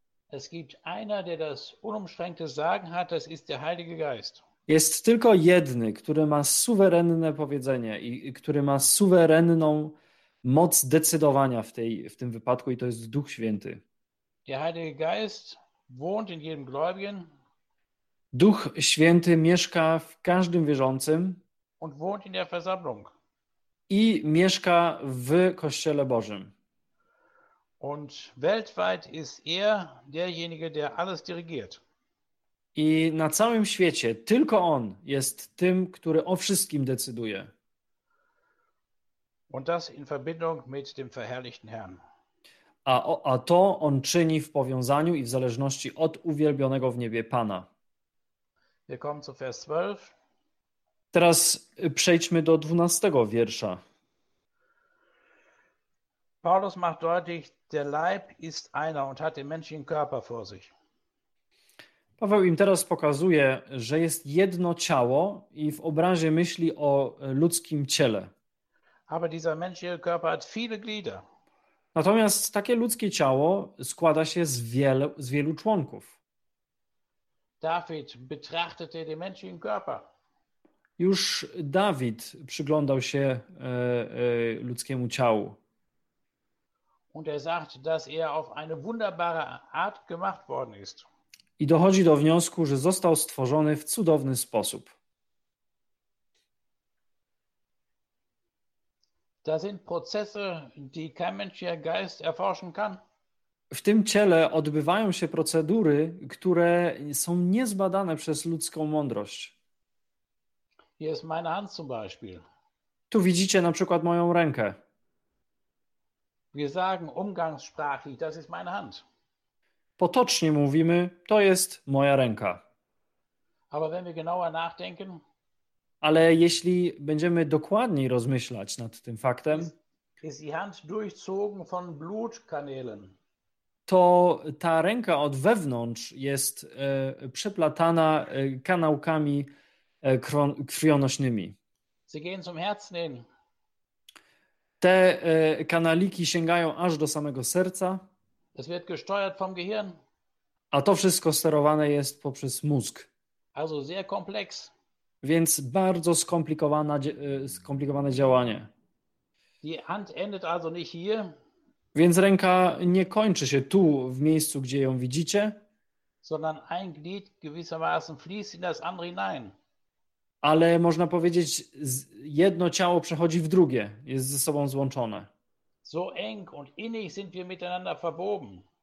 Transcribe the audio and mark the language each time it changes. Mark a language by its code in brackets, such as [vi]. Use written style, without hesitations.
[de] Es gibt einer, der das unumschränkte Sagen hat, das ist der Heilige Geist. [pl] Jest tylko jedny, który ma suwerenne powiedzenie i który ma suwerenną moc decydowania w tym wypadku, i to jest Duch Święty. [de] Der Heilige Geist wohnt in jedem Gläubigen. [pl] Duch Święty mieszka w każdym wierzącym [de] und wohnt in der Versammlung. [pl] I mieszka w Kościele Bożym. [de] Und weltweit ist derjenige, der alles dirigiert. [pl] I na całym świecie tylko on jest tym, który o wszystkim decyduje. [de] Und das in Verbindung mit dem verherrlichten Herrn. [pl] A to on czyni w powiązaniu i w zależności od uwielbionego w niebie Pana. [de] Wir kommen zu Vers 12. [pl] Teraz przejdźmy do 12 wiersza. [de] Paulus macht deutlich, der Leib ist einer und hat den menschlichen Körper vor sich. [pl] Paweł im teraz pokazuje, że jest jedno ciało i w obrazie myśli o ludzkim ciele. [de] Aber dieser menschliche Körper hat viele Glieder. [pl] Natomiast takie ludzkie ciało składa się z wielu członków. [de] David betrachtete den menschlichen Körper. [pl] Już Dawid przyglądał się ludzkiemu ciału. [de] Und sagt, dass auf eine wunderbare Art gemacht worden ist. [pl] I dochodzi do wniosku, że został stworzony w cudowny sposób. [de] Da sind Prozesse, die kein menschlicher Geist erforschen kann. [pl] W tym ciele odbywają się procedury, które są niezbadane przez ludzką mądrość. [de] Hier ist meine Hand zum Beispiel. [pl] Tu widzicie na przykład moją rękę. [de] Wir sagen umgangssprachlich, das ist meine Hand. [pl] Potocznie mówimy, to jest moja ręka. [de] Aber wenn wir genauer nachdenken, [pl] ale jeśli będziemy dokładniej rozmyślać nad tym faktem, [de] ist die Hand durchzogen von Blutkanälen. [pl] To ta ręka od wewnątrz jest przeplatana kanałkami krwionośnymi. [de] Sie gehen zum Herzen hin. [pl] Te kanaliki sięgają aż do samego serca. [de] Es wird gesteuert vom Gehirn. [pl] A to wszystko sterowane jest poprzez mózg. [de] Also sehr komplex. [pl] Więc bardzo skomplikowane działanie. [de] Die Hand endet also nicht hier. [pl] Więc ręka nie kończy się tu, w miejscu, gdzie ją widzicie. [de] Sondern ein Glied gewissermaßen fließt in das andere hinein. [pl] Ale można powiedzieć, jedno ciało przechodzi w drugie, jest ze sobą złączone. [de] So eng und innig sind wir miteinander verwoben.